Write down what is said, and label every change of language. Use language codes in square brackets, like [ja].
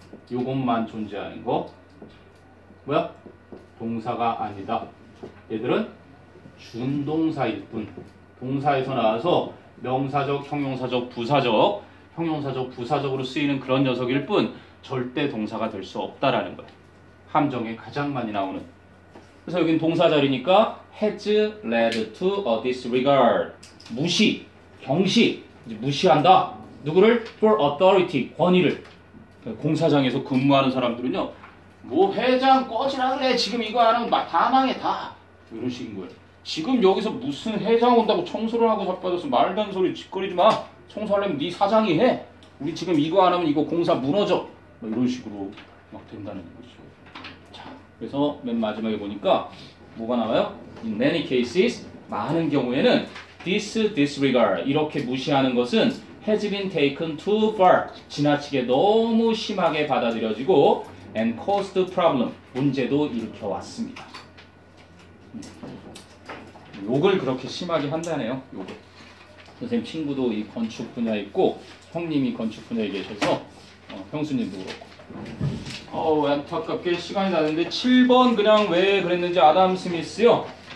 [ko] 이것만 존재하는 거. 뭐야? 동사가 아니다. 얘들은 준동사일 뿐. 동사에서 나와서 명사적, 형용사적, 부사적, 형용사적, 부사적으로 쓰이는 그런 녀석일 뿐 절대 동사가 될 수 없다라는 거야. 함정에 가장 많이 나오는. 그래서 여긴 동사자리니까 [en] has led to a disregard. [ko] 무시, 경시, 이제 무시한다. 누구를? [en] For authority, [ko] 권위를. 공사장에서 근무하는 사람들은요. 뭐 회장 꺼지라 그래. 지금 이거 안 하면 다 망해, 다. 이런 식인 거예요. 지금 여기서 무슨 회장 온다고 청소를 하고 자빠져서 말도 안 소리 짓거리지 마. 청소하려면 네 사장이 해. 우리 지금 이거 안 하면 이거 공사 무너져. 막 이런 식으로 막 된다는 거죠. 자, 그래서 맨 마지막에 보니까 뭐가 나와요? [en] In many cases, [ko] 많은 경우에는 [en] this disregard, [ko] 이렇게 무시하는 것은 [en] has been taken too far, [ko] 지나치게 너무 심하게 받아들여지고 [en] and caused problem, [ko] 문제도 일으켜왔습니다. 욕을 그렇게 심하게 한다네요. 욕을. 선생님 친구도 이 건축 분야에 있고 형님이 건축 분야에 계셔서 형수님도 그렇고. 안타깝게 시간이 났는데 7번 그냥 왜 그랬는지 아담 스미스요.